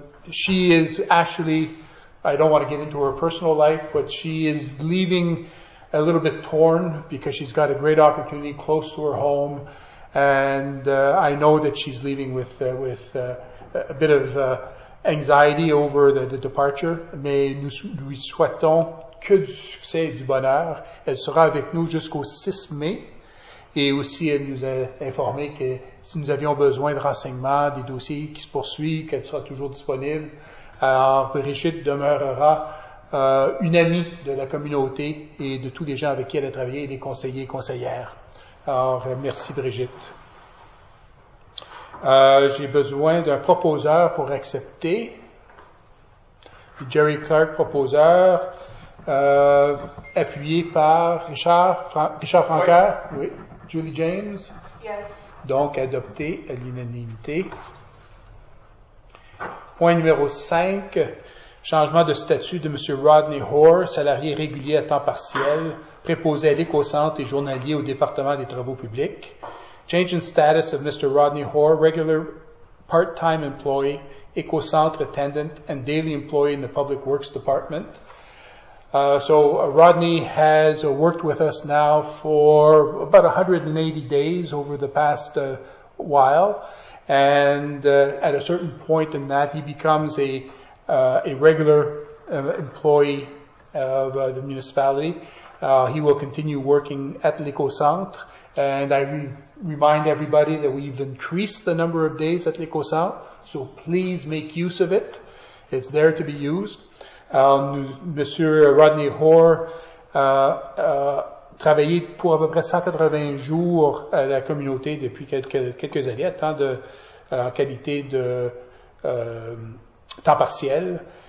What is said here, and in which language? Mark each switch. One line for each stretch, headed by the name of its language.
English: She is actually, I don't want to get into her personal life, but she is leaving a little bit torn because she's got a great opportunity close to her home. And I know that she's leaving with a bit of anxiety over the departure.
French: Mais nous lui souhaitons que du succès et du bonheur. Elle sera avec nous jusqu'au 6 mai. Et aussi, elle nous a informé que si nous avions besoin de renseignements, des dossiers qui se poursuivent, qu'elle sera toujours disponible. Alors, Brigitte demeurera une amie de la communauté et de tous les gens avec qui elle a travaillé, les conseillers et conseillères. Alors, merci Brigitte. J'ai besoin d'un proposeur pour accepter. Jerry Clark, proposeur. appuyé par Richard Francoeur, oui. Julie James.
English: Yes.
French: Donc adopté à l'unanimité. Point numéro 5, changement de statut de M. Rodney Hoare, salarié régulier à temps partiel, préposé à l'éco-centre et journalier au département des travaux publics.
English: Change in status of Mr. Rodney Hoare, regular part-time employee, éco-centre attendant and daily employee in the Public Works Department. Rodney has worked with us now for about 180 days over the past while. And at a certain point in that, he becomes a regular employee of the municipality. He will continue working at l'éco-centre. And I remind everybody that we've increased the number of days at l'éco-centre. So please make use of it. It's there to be used.
French: Monsieur Rodney Hoare a travaillé pour à peu près 180 jours à la communauté depuis quelques années, en qualité de temps partiel.